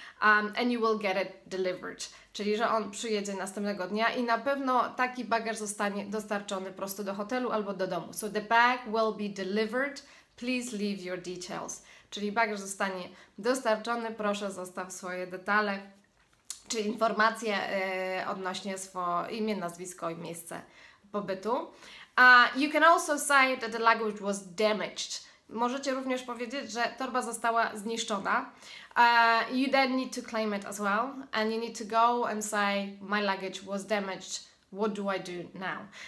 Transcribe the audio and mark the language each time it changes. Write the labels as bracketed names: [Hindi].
[English] And you will get it delivered. [Polish] Czyli, że on przyjedzie następnego dnia i na pewno taki bagaż zostanie dostarczony prosto do hotelu albo do domu. [English] So the bag will be delivered. Please leave your details. [Polish] Czyli bagaż zostanie dostarczony. Proszę, zostaw swoje detale czy informacje odnośnie swoje imię, nazwisko i miejsce pobytu. [English] You can also say that the luggage was damaged. [Polish] Możecie również powiedzieć, że torba została zniszczona. [English] You then need to claim it as well and you need to go and say my luggage was damaged, what do I do now?